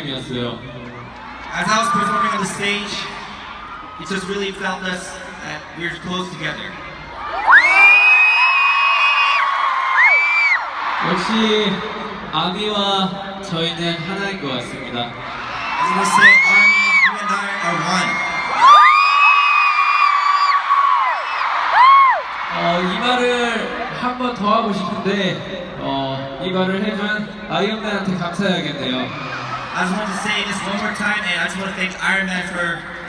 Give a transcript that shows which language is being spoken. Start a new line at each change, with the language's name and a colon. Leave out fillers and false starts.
English: As I was performing on the stage, it just really felt us that we were close together.
Korean: 역시 아미와 저희는 하나인 것 같습니다.
English: As I was saying, Army, you and I are one.
Korean: 이 말을 한 번 더 하고 싶은데, 이 말을 해준 아이언맨한테 감사해야겠네요.
English: I just want to say this one more time, and I just want to thank Iron Man for...